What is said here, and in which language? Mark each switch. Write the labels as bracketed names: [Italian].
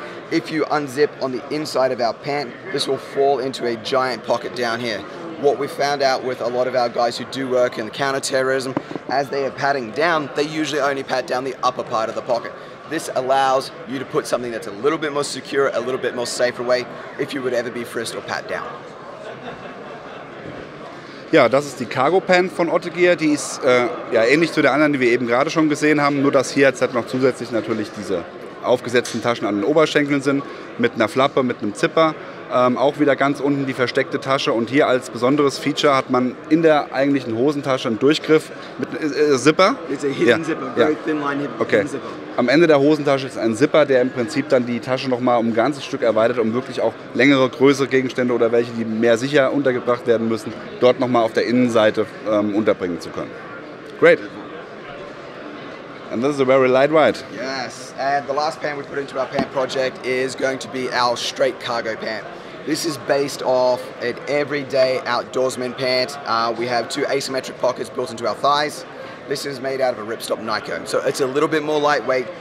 [English] If you unzip on the inside of our pant, this will fall into a giant pocket down here. What we found out with a lot of our guys who do work in counterterrorism, as they are padding down, they usually only pad down the upper part of the pocket. This allows you to put something that's a little bit more secure, a little bit more safer away, if you would ever be frisked or pat down. [German] Ja, das ist die Cargo Pant von Otte Gear. Die ist ähnlich zu der anderen, die wir eben gerade schon gesehen haben. Nur dass hier jetzt halt noch zusätzlich natürlich diese aufgesetzten Taschen an den Oberschenkeln sind, mit einer Flappe, mit einem Zipper. Auch wieder ganz unten die versteckte Tasche. Und hier als besonderes Feature hat man in der eigentlichen Hosentasche einen Durchgriff mit Zipper. [English] It's a hidden zipper, very thin line hidden zipper. [German] Am Ende der Hosentasche ist ein Zipper, der im Prinzip dann die Tasche nochmal um ein ganzes Stück erweitert, um wirklich auch längere, größere Gegenstände oder welche, die mehr sicher untergebracht werden müssen, dort nochmal auf der Innenseite unterbringen zu können. [English] Great. And this is a very lightweight. Yes, and the last pant we put into our pant project is going to be our straight cargo pant. This is based off an everyday outdoorsman pant. We have two asymmetric pockets built into our thighs. This is made out of a ripstop nylon, so it's a little bit more lightweight.